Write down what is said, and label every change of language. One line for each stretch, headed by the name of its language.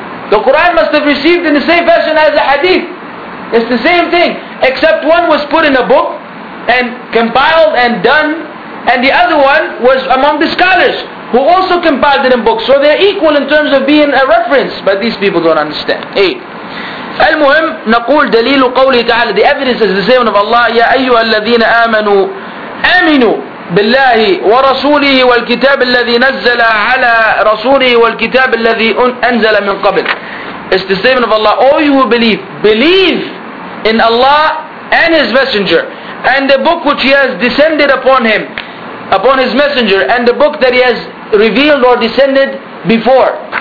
English: The Quran must have received in the same fashion as the hadith. It's the same thing, except one was put in a book and compiled and done, and the other one was among the scholars who also compiled it in books. So they're equal in terms of being a reference, but these people don't understand.
Arabic: المهم نقول دليل قوله تعالى,
English: the evidence is the same of Allah,
Arabic: يا أيها الذين آمنوا آمنوا بالله ورسوله والكتاب الذي نزل على رسوله والكتاب الذي أنزل من قبل.
English: It's the same of Allah. All you who believe in Allah and His Messenger and the book which He has descended upon Him, upon his messenger and the book that he has revealed or descended before.